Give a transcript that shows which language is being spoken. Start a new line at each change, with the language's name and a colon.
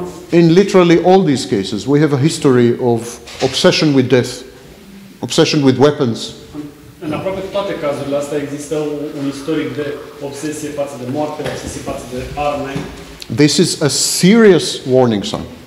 English: In literally all these cases, we have a history of obsession with death, obsession with weapons.
Romanian: În aproape toate cazurile astea există un istoric de obsesie față de moarte, obsesie față de arme.
English: This is a serious warning sign.